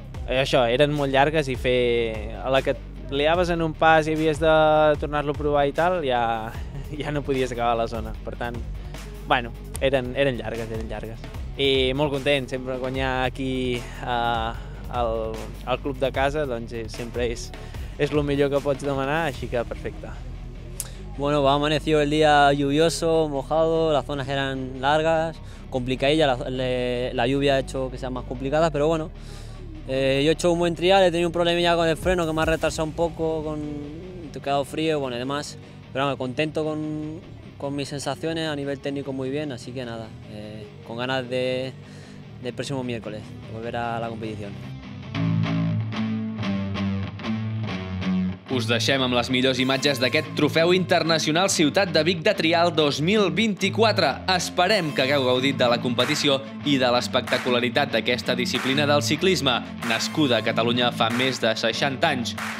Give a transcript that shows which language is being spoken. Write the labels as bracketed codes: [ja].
[ca] Això, eren molt llargues i fer... A la que liaves en un pas i havies de tornar-lo a provar i tal, ja no podies acabar la zona. Per tant, bueno, eren llargues. I molt content, sempre guanyar aquí al club de casa, doncs sempre és el millor que pots demanar, així que perfecte. [es] Bueno, amaneció el día lluvioso, mojado, las zonas eran largas, complicadillas, la lluvia ha hecho que sean más complicadas, pero bueno, yo he hecho un buen trial, he tenido un problema ya con el freno que me ha retrasado un poco, he quedado frío y bueno, además, pero bueno, contento con mis sensaciones, a nivel técnico muy bien, así que nada, con ganas del próximo miércoles, de volver a la competición. [ca] Us deixem amb les millors imatges d'aquest Trofeu Internacional Ciutat de Vic de Trial 2024. Esperem que hagueu gaudit de la competició i de l'espectacularitat d'aquesta disciplina del ciclisme, nascuda a Catalunya fa més de 60 anys.